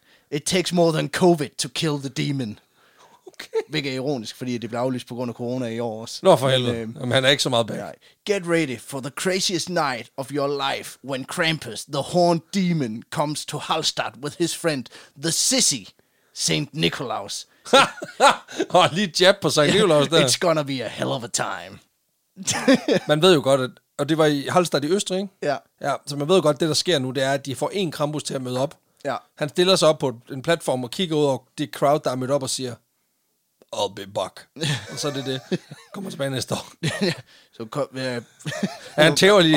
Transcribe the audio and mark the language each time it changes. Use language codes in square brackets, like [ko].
[en] It takes more than COVID to kill the demon. Okay. [da] Hvilket er ironisk, fordi det blev aflyst på grund af corona i år også. Nå for helvede, men han er ikke så meget bag. Nej. [en] Get ready for the craziest night of your life, when Krampus, the horned demon, comes to Hallstatt with his friend, the sissy, St. Nicholas. [da] Og lige jab på St. Nicholas der. [en] It's gonna be a hell of a time. [da] Man ved jo godt, at, og det var i Hallstatt i Østrig, ikke? Ja. Ja, så man ved jo godt, at det der sker nu, det er, at de får en Krampus til at møde op. Ja. Han stiller sig op på en platform og kigger ud, og det crowd, der er mødt op og siger, [en] I'll be back. [da] Og så er det det. Kommer tilbage næste år. Så kom, ja. Han tæver lige.